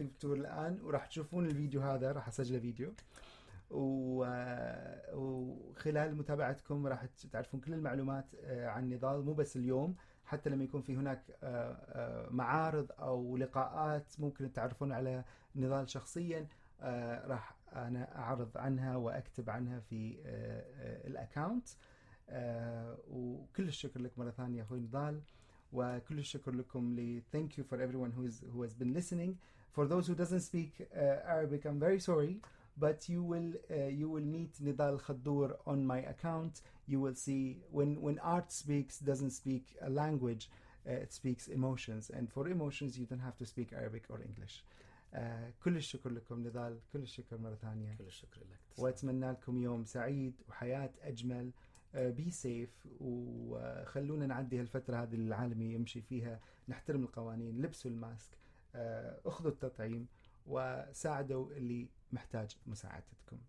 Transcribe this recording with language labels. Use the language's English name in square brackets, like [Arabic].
[Arabic] الدكتور الآن، وراح تشوفون الفيديو هذا، راح أسجله فيديو، وخلال متابعتكم راح تعرفون كل المعلومات عن نضال، مو بس اليوم، حتى لما يكون في هناك معارض أو لقاءات ممكن تتعرفون على نضال شخصيا، راح أنا أعرض عنها وأكتب عنها في الأكاونت. وكل الشكر لك مرة ثانية أخوي نضال، وكل الشكر لكم. [English] Thank you for everyone who has been listening. For those who doesn't speak Arabic, I'm very sorry. But you will meet Nidal Khaddour on my account. You will see when art speaks, doesn't speak a language, it speaks emotions. And for emotions, you don't have to speak Arabic or English. [Arabic] كل الشكر لكم نضال، كل الشكر مرة ثانية، كل الشكر لك، تسلم. وأتمنى لكم يوم سعيد وحياة أجمل. [English] be safe, [Arabic] وخلونا نعدي هالفترة هذه اللي العالم يمشي فيها، نحترم القوانين، لبسوا الماسك، أخذوا التطعيم، وساعدوا اللي محتاج مساعدتكم.